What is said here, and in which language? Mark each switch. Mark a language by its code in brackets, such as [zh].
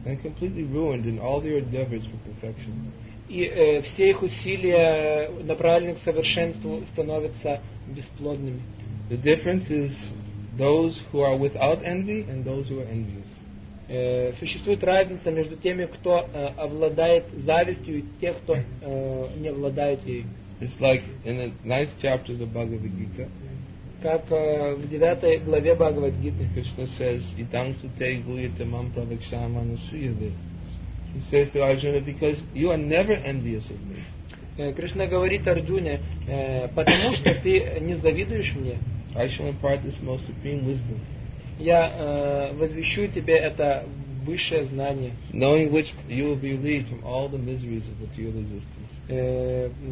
[en] And completely ruined in all their endeavors for perfection. [ru] И все их усилия, направленные к совершенству, становятся бесплодными. [en] The difference is those who are without envy and those who are envious. [ru] Существует разница между теми, кто обладает завистью, и тех, кто не обладает ей. [en] It's like in the ninth chapter of the Bhagavad Gita. [ru] Как в девятой главе Бхагавад Гиты. [en] Krishna says, [sa] "Itam sute guhyate mam pravekshama anusuyate." [en] He says to Arjuna, "Because you are never envious of me." [ru] Кришна говорит Арджуне, потому что ты не завидуешь мне. [en] I shall impart this most supreme wisdom. [ru] Я возвещу тебе это высшее знание. [en] Knowing which you will be relieved from all the miseries of material existence.